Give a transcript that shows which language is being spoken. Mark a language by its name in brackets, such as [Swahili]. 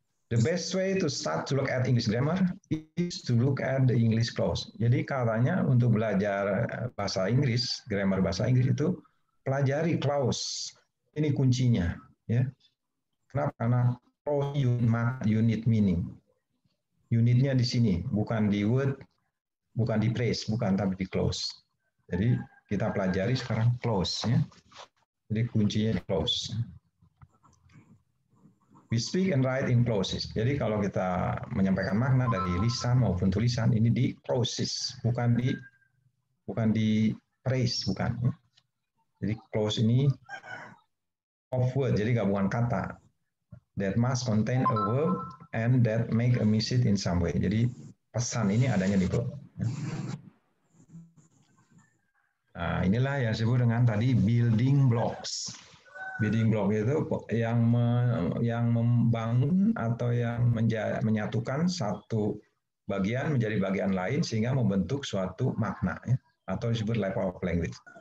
[English] The best way to start to look at English grammar is to look at the English clause. [Indonesian] Jadi katanya untuk belajar bahasa Inggris, grammar bahasa Inggris itu pelajari clause. Ini kuncinya, ya. Kenapa? Karena clause unit meaning. Unitnya di sini, bukan di word, bukan di phrase, bukan tapi di clause. Jadi kita pelajari sekarang clause, ya. Jadi kuncinya clause. [English] We speak and write in clauses. [Indonesian] Jadi kalau kita menyampaikan makna dari lisan maupun tulisan, ini di clauses, bukan di phrase, bukan. Jadi clause ini of word, jadi gabungan kata. [English] That must contain a verb and that make a message in some way. [Indonesian] Jadi pesan ini adanya di verb. Nah, inilah yang disebut dengan tadi building blocks. Building block itu yang membangun atau yang menyatukan satu bagian menjadi bagian lain sehingga membentuk suatu makna, ya, atau disebut level of language.